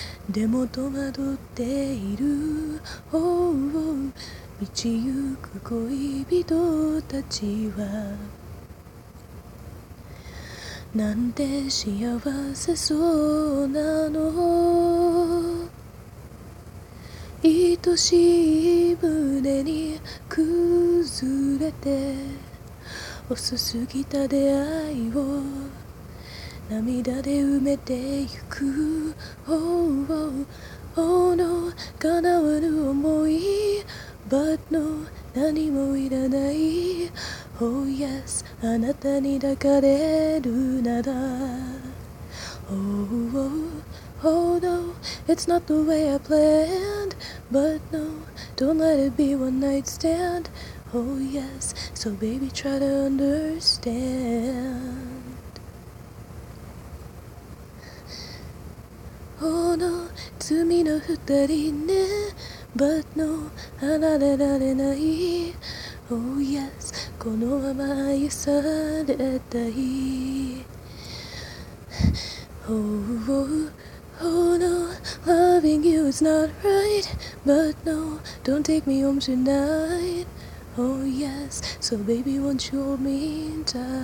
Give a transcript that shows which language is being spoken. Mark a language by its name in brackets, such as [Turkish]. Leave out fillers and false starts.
[Japanese] でも戸惑っている。Oh, oh, 道行く恋人たちは、なんて幸せそうなの。愛しい胸に崩れて、遅すぎた出会いを涙で埋めてゆく。 Oh, oh, oh, no, 叶わぬ想い。 [English] But no, [Japanese] 何もいらない。 [English] Oh yes, [Japanese] あなたに抱かれるなら。 [English] Oh, oh, oh no, it's not the way I planned. But no, don't let it be one night stand. Oh yes, so baby try to understand. [Japanese] Oh no, 罪の二人ね。 [English] But no, [Japanese] 離れられない。 [English] Oh yes, [Japanese] このまま愛されたい。 [English] Oh, oh, oh no, loving you is not right. But no, don't take me home tonight. Oh yes, so baby won't you hold me tight.